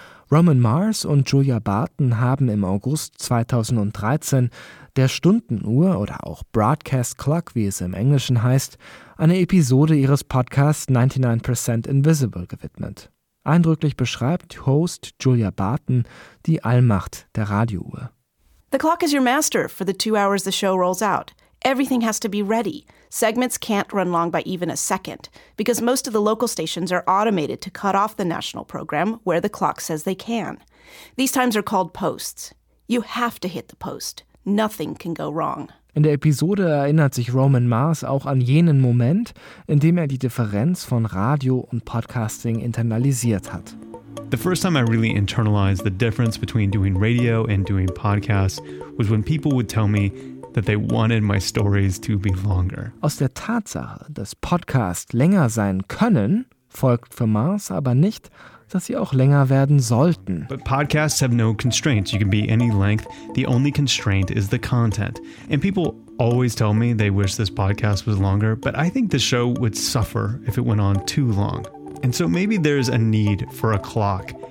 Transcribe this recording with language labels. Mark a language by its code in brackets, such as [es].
[de] Roman Mars und Julia Barton haben im August 2013 der Stundenuhr oder auch Broadcast Clock, wie es im Englischen heißt, eine Episode ihres Podcasts 99% Invisible gewidmet. Eindrücklich beschreibt Host Julia Barton die Allmacht der Radiouhr. [en] The clock is your master for the 2 hours the show rolls out. Everything has to be ready. Segments can't run long by even a second, because most of the local stations are automated to cut off the national program where the clock says they can. These times are called posts. You have to hit the post. Nothing can go wrong. [de] In der Episode erinnert sich Roman Mars auch an jenen Moment, in dem er die Differenz von Radio und Podcasting internalisiert hat. [en] The first time I really internalized the difference between doing radio and doing podcasts was when people would tell me, that they wanted my stories to be longer. [de] Aus der Tatsache, dass Podcasts länger sein können, folgt für Mars aber nicht, dass sie auch länger werden sollten. [en] But podcasts have no constraints. You can be any length. The only constraint is the content. And people always tell me they wish this podcast was longer, but I think the show would suffer if it went on too long. And so maybe there's a need for a clock